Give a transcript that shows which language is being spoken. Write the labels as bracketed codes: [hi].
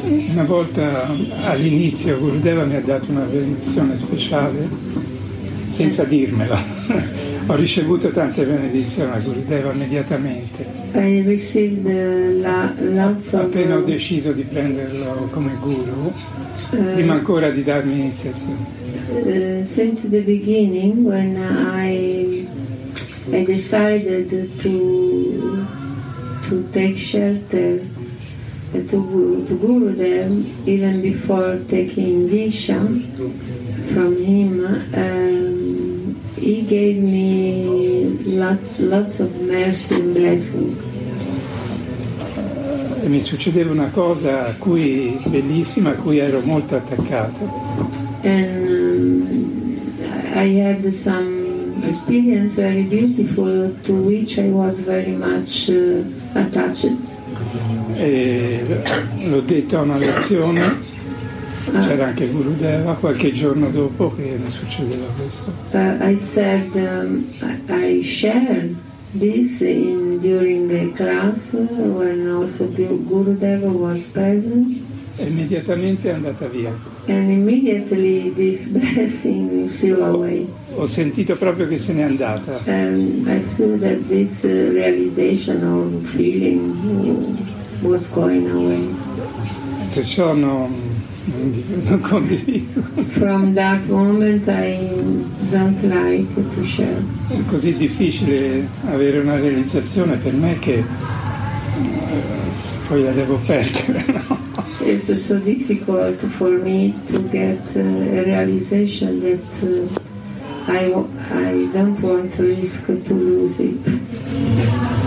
[it] Una volta all'inizio Gurudeva mi ha dato una benedizione speciale senza dirmela. Ho ricevuto tante benedizioni a Gurudeva immediatamente. [en] I received lots of... [it] Appena ho deciso di prenderlo come guru, prima ancora di darmi iniziazione. [en] Since the beginning, when I decided to take shelter to Gurudev, even before taking Disha from him, he gave me lots of mercy and blessing. [it] E mi succedeva una cosa a cui bellissima, a cui ero molto attaccato. [en] And I had some experience very beautiful to which I was very much attached. [it] E l'ho detto a una lezione. C'era anche Gurudeva qualche giorno dopo che mi succedeva questo. [en] I said I shared this during the class when also Gurudeva was present. [it] E immediatamente è andata via. [en] And immediately this blessing flew away. [it] Ho sentito proprio che se n'è andata. [en] And I feel that this realization or feeling was going away. [it] Perciò non condivido. [en] From that moment I don't like to share. [it] È così difficile avere una realizzazione per me che poi la devo perdere, no? [en] It's so difficult for me to get a realization that I don't want to risk to lose it.